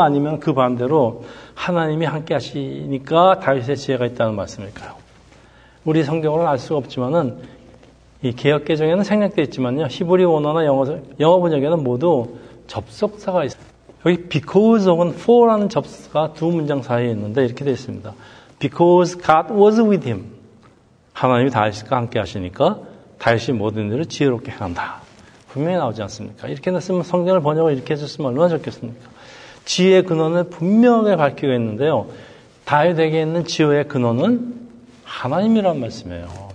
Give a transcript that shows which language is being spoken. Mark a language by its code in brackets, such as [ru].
[ko] 아니면 그 반대로 하나님이 함께하시니까 다윗의 지혜가 있다는 말씀일까요? 우리 성경으로는 알 수가 없지만은 이 개역 개정에는 생략되어 있지만요 히브리 원어나 영어 번역에는 모두 접속사가 있어요. 여기 because 혹은 for라는 접속사가 두 문장 사이에 있는데 이렇게 되어 있습니다. [en] Because God was with him. [ko] 하나님이 다윗과 함께 하시니까 다윗이 모든 일을 지혜롭게 행한다. 분명히 나오지 않습니까? 이렇게 됐으면 성경을 번역을 이렇게 해줬으면 얼마나 좋겠습니까? 지혜의 근원을 분명하게 밝히고 있는데요. 다윗에게 있는 지혜의 근원은 하나님이란 말씀이에요.